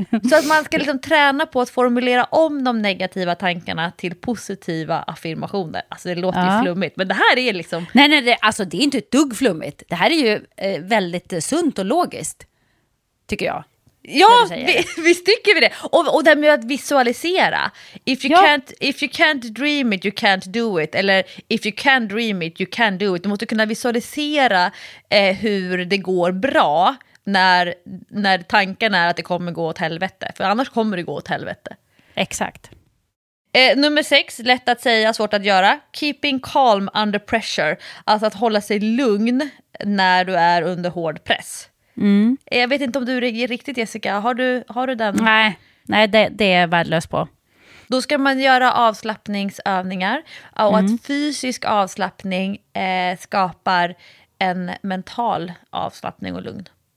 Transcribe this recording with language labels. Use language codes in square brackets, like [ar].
[sv] Så att man ska liksom träna på att formulera om de negativa tankarna till positiva affirmationer. Alltså det låter ju flummigt, men det här är liksom... Nej, det är inte ett dugg flummigt. Det här är ju väldigt sunt och logiskt, tycker jag. Ja, visst tycker vi det. Och det här med att visualisera. [en] If you can't dream it, you can't do it. [sv] Eller [en] if you can dream it, you can do it. [sv] Du måste kunna visualisera hur det går bra när tanken är att det kommer gå åt helvete. För annars kommer det gå åt helvete. Exakt. Nummer sex, lätt att säga, svårt att göra. [en] Keeping calm under pressure. [sv] Alltså att hålla sig lugn när du är under hård press. Mm. Jag vet inte om du är riktigt, Jessica. Har du den? Nej, det är värdelös på. Då ska man göra avslappningsövningar. Och att fysisk avslappning skapar en mental avslappning och lugn.